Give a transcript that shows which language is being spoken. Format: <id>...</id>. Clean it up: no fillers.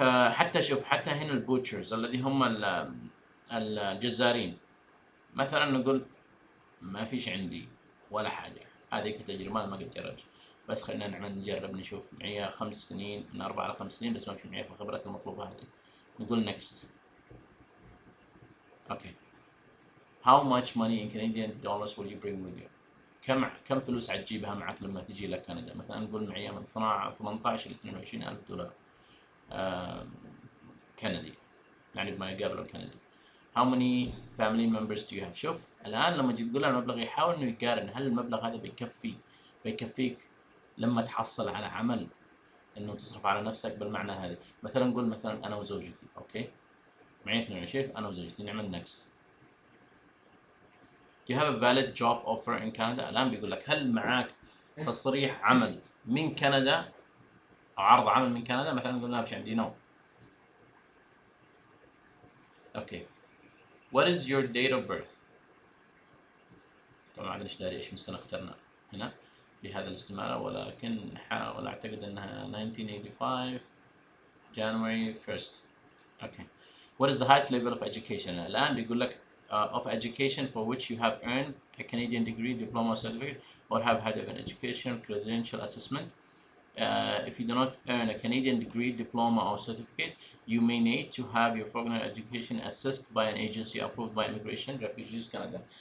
<ar>حتى شوف حتى هنا البوتشرز الذي هم الجزارين مثلا، نقول ما فيش عندي ولا حاجه، هذه كتجربه ما قد جربت، بس خلينا نعمل نجرب نشوف معي خمس سنين من 4 إلى 5 سنين بس ما في معي في الخبرات المطلوبه هذه، نقول نكست.</ar> <en>Okay. How much money in Canadian dollars will you bring with you?</en> <ar>كم فلوس عتجيبها معك لما تجي إلى كندا؟ مثلا نقول معي من 18 إلى 22 ألف دولار كندي، يعني بما يقابل الكندي.</ar> <en>How many family members do you have?</en> <ar>شوف الآن لما تجي تقول المبلغ يحاول إنه يقارن هل المبلغ هذا بيكفيك لما تحصل على عمل إنه تصرف على نفسك بالمعنى هذا. مثلا نقول مثلا أنا وزوجتي، أوكي؟ معي 22 أنا وزوجتي، نعمل next.</ar> <en>You have a valid job offer in Canada؟</en> <ar>الآن بيقول لك هل معاك تصريح عمل من كندا أو عرض عمل من كندا؟ مثلا نقول لا مش عندي، no.</ar> <en>Okay. What is your date of birth؟</en> <ar>طبعا ما عاد داري ايش من سنة اخترنا هنا في هذا الاستمارة، ولكن نحاول اعتقد انها 1985 January 1st.</ar> <en>Okay. What is the highest level of education?</en> <ar>الآن بيقول لك</ar> <en>of education for which you have earned a Canadian degree, diploma, certificate, or have had an education credential assessment. If you do not earn a Canadian degree, diploma, or certificate, you may need to have your foreign education assessed by an agency approved by Immigration Refugees Canada.</en>